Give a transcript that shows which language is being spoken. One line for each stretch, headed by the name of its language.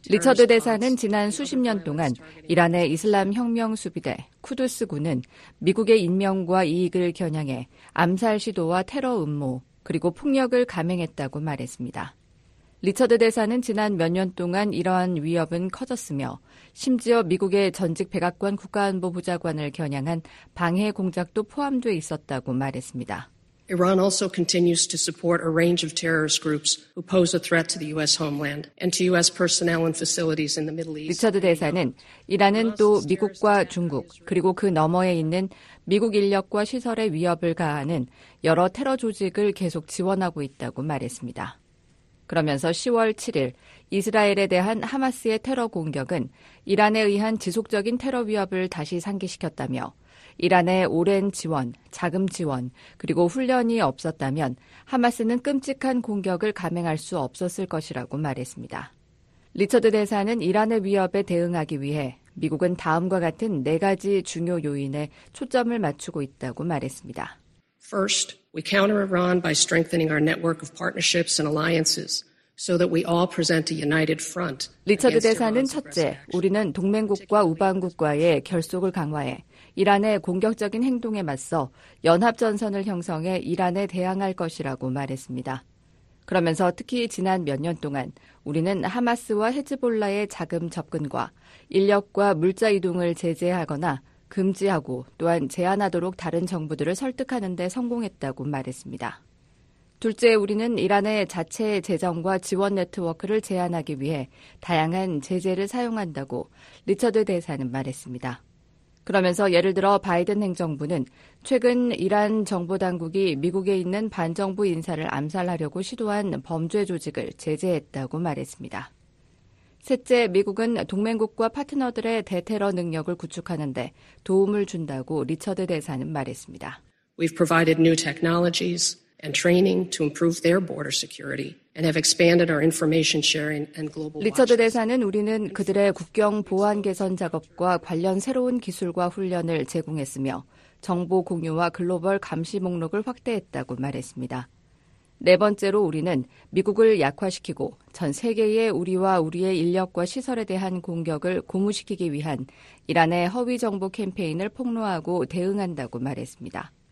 Korean: 리처드 대사는 지난 수십 년 동안 이란의 이슬람 혁명 수비대 쿠두스 군은 미국의 인명과 이익을 겨냥해 암살 시도와 테러 음모 그리고 폭력을 감행했다고 말했습니다. 리처드 대사는 지난 몇 년 동안 이러한 위협은 커졌으며 심지어 미국의 전직 백악관 국가안보부장관을 겨냥한 방해 공작도 포함돼 있었다고 말했습니다.
English: Iran also continues to support a range of terrorist groups who pose a threat to the U.S. homeland and to U.S. personnel and facilities in the Middle East.
Korean: 리처드 대사는 이란은 또 미국과 중국 그리고 그 너머에 있는 미국 인력과 시설에 위협을 가하는 여러 테러 조직을 계속 지원하고 있다고 말했습니다. 그러면서 10월 7일 이스라엘에 대한 하마스의 테러 공격은 이란에 의한 지속적인 테러 위협을 다시 상기시켰다며 이란의 오랜 지원, 자금 지원, 그리고 훈련이 없었다면 하마스는 끔찍한 공격을 감행할 수 없었을 것이라고 말했습니다. 리처드 대사는 이란의 위협에 대응하기 위해 미국은 다음과 같은 네 가지 중요 요인에 초점을 맞추고 있다고 말했습니다.
English: First, we counter Iran by strengthening our network of partnerships and alliances so that we all present a united front.
Korean: 리처드 대사는 첫째, 우리는 동맹국과 우방국과의 결속을 강화해 이란의 공격적인 행동에 맞서 연합전선을 형성해 이란에 대항할 것이라고 말했습니다. 그러면서 특히 지난 몇 년 동안 우리는 하마스와 헤즈볼라의 자금 접근과 인력과 물자 이동을 제재하거나 금지하고 또한 제한하도록 다른 정부들을 설득하는 데 성공했다고 말했습니다. 둘째, 우리는 이란의 자체 재정과 지원 네트워크를 제한하기 위해 다양한 제재를 사용한다고 리처드 대사는 말했습니다. 그러면서 예를 들어 바이든 행정부는 최근 이란 정보 당국이 미국에 있는 반정부 인사를 암살하려고 시도한 범죄 조직을 제재했다고 말했습니다. 셋째, 미국은 동맹국과 파트너들의 대테러 능력을 구축하는데 도움을 준다고 리처드 대사는 말했습니다.
English: We've provided new technologies and training to improve their border security. And have expanded our information sharing and global.
Korean: 리처드 대사는 우리는 그들의 국경 보안 개선 작업과 관련 새로운 기술과 훈련을 제공했으며 정보 공유와 글로벌 감시 목록을 확대했다고 말했습니다. 네 번째로 우리는 미국을 약화시키고 전 세계에 우리와 우리의 인력과 시설에 대한 공격을 고무시키기 위한 이란의 허위 정보 캠페인을 폭로하고 대응한다고 말했습니다.